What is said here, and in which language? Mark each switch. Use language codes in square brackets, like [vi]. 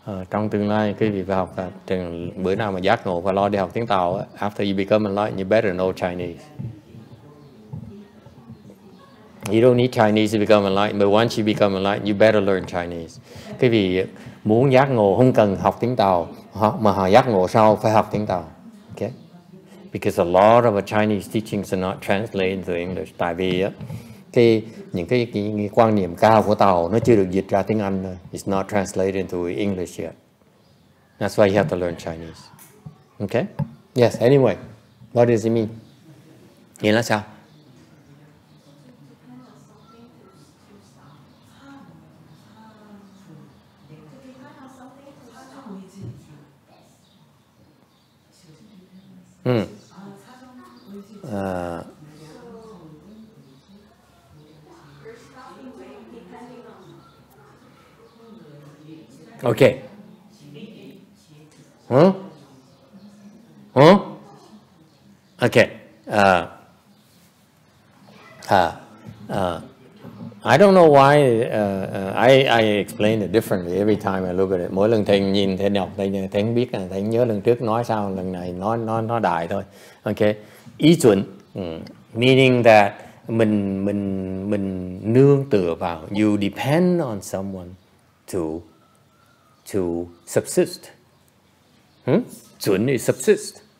[vi] Trong tương lai, quý vị vào học trường bữa nào mà giác ngộ và lo đi học tiếng Tàu, [en] after you become enlightened, you better know Chinese. You don't need Chinese to become enlightened, but once you become enlightened, you better learn Chinese. [vi] Quý vị muốn giác ngộ không cần học tiếng Tàu, mà họ giác ngộ sau phải học tiếng Tàu. [en] Okay? Because a lot of the Chinese teachings are not translated into English. [vi] Tại vì những quan niệm cao của Tàu nó chưa được dịch ra tiếng Anh. [en] It's not translated into English yet. That's why you have to learn Chinese. Okay? Yes, anyway. What does it mean? [vi] Nghĩa là sao? [en] Okay. Okay. I don't know why I explain it differently every time I look at it. [vi] Mỗi lần thầy nhìn thầy đọc thầy nhớ thầy biết là thầy nhớ lần trước nói sao lần này nó đại thôi. [en] Okay. Ý chuẩn meaning that [vi] mình nương tựa vào, [en] you depend on someone to subsist. Chuẩn is subsist.